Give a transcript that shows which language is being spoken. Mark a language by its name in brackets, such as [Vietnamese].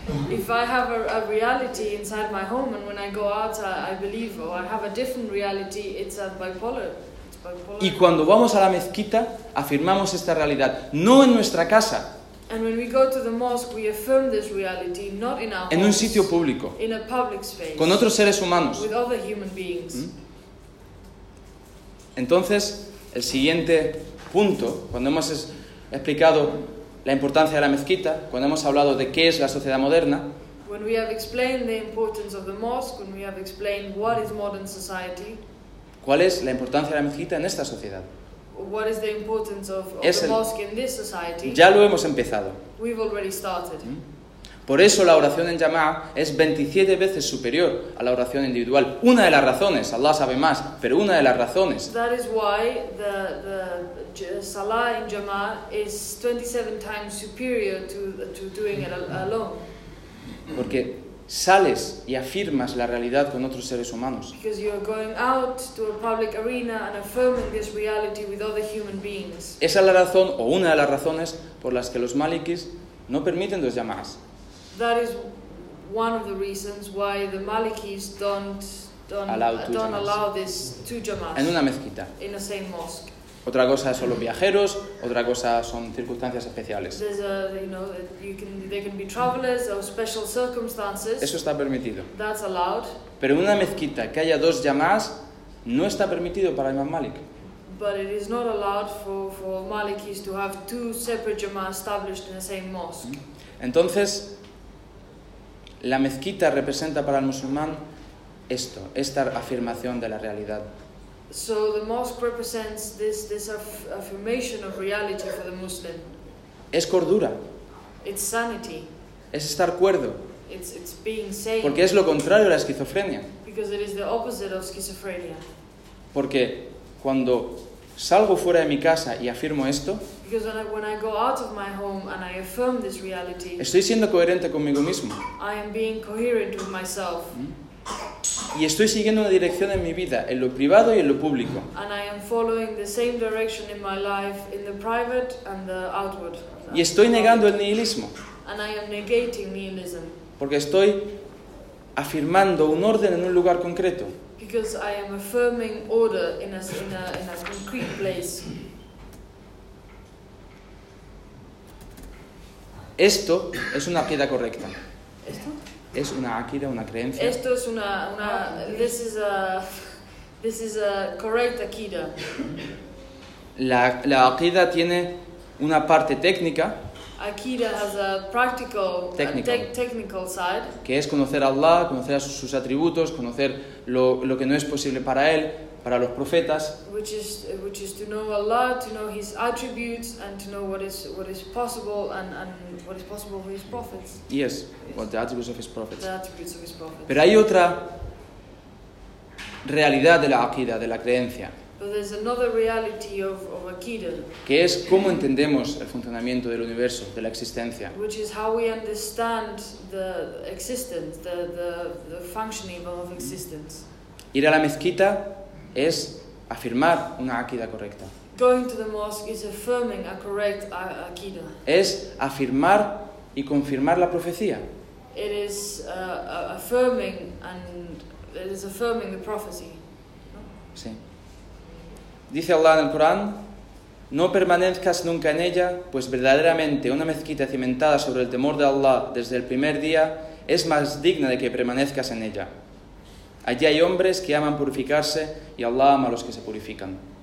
[English] If I have a reality inside my home and when I go out I believe or I have a different reality, it's a bipolar. [Spanish] Y cuando vamos a la mezquita, afirmamos esta realidad, no en nuestra casa. [English] And when we go to the mosque, we affirm this reality, not in our homes, [Spanish] en un sitio público, [English] in a public space, [Spanish] con otros seres humanos, [English] with other human beings. [Spanish] Entonces, el siguiente punto, cuando hemos explicado la importancia de la mezquita, cuando hemos hablado de qué es la sociedad moderna, [English] when we have explained the importance of the mosque, when we have explained what is modern society, [Spanish] ¿cuál es la importancia de la mezquita en esta sociedad? [English] What is the importance of the mosque in this society? [Spanish] Ya lo hemos empezado. [English] We've already started. [Spanish] Por eso la oración en jamaa es 27 veces superior a la oración individual. Una de las razones, Allah sabe más, pero una de las razones. [English] That is why the salah in jamaa is 27 times superior to doing it alone. [Spanish] Porque sales y afirmas la realidad con otros seres humanos. [English] Because you are going out to a public arena and affirming this reality with other human beings. [Spanish] Esa es la razón o una de las razones por las que los malikis no permiten dos llamadas. [English] That is one of the reasons why the malikis don't allow this two jamaas. [Spanish] En una mezquita. [English] In the same mosque. [Spanish] Otra cosa son los viajeros, otra cosa son circunstancias especiales. [English] They can be travelers or special circumstances. [Spanish] Eso está permitido. [English] That's allowed. [Spanish] Pero en una mezquita que haya dos llamadas no está permitido para Imam Malik. [English] But it is not allowed for Malikis to have two separate jamaas established in the same mosque. [Spanish] Entonces, la mezquita representa para el musulmán esto, esta afirmación de la realidad. [English] So the mosque represents this affirmation of reality for the Muslim. [Spanish] Es cordura. [English] It's sanity. [Spanish] Es estar cuerdo. [English] It's being sane. [Spanish] Porque es lo contrario a la esquizofrenia. [English] Because it is the opposite of schizophrenia. [Spanish] Porque cuando salgo fuera de mi casa y afirmo esto, [English] because when I go out of my home and I affirm this reality, [Spanish] estoy siendo coherente conmigo mismo. [English] I am being coherent with myself. [Spanish] Y estoy siguiendo una dirección en mi vida, en lo privado y en lo público. [English] And I am following the same direction in my life, in the private and the outward. [Spanish] Y estoy negando el nihilismo. [English] And I am negating nihilism. [Spanish] Porque estoy afirmando un orden en un lugar concreto. [English] Because I am affirming order in a concrete place. [Spanish] Esto es una piedad correcta. ¿Esto? Es una aquida, una creencia. Esto es una [English] this is a correct aquida. [Spanish] La aquida tiene una parte técnica. [English] Aquida has a practical technical side. [Spanish] Que es conocer a Allah, conocer a sus atributos, conocer lo que no es posible para él, para los profetas. [English] Which is to know Allah, to know his attributes and to know what is possible and what is possible for his prophets. Yes, what the attributes of his prophets. The attributes of his prophets. [Spanish] Pero hay otra realidad de la aqida, de la creencia. [English] But there's another reality of aqida. [Spanish] Que es cómo entendemos el funcionamiento del universo, de la existencia. [English] Which is how we understand the existence, the functioning of existence. [Spanish] Ir a la mezquita es afirmar una aqida correcta. [English] Going to the mosque is affirming a correct aqida. [Spanish] Es afirmar y confirmar la profecía. [English] It is affirming and it is affirming the prophecy. [Spanish] No? Sí. Dice Allah en el Corán: no permanezcas nunca en ella, pues verdaderamente una mezquita cimentada sobre el temor de Allah desde el primer día es más digna de que permanezcas en ella. Allí hay hombres que aman purificarse y Allah ama a los que se purifican.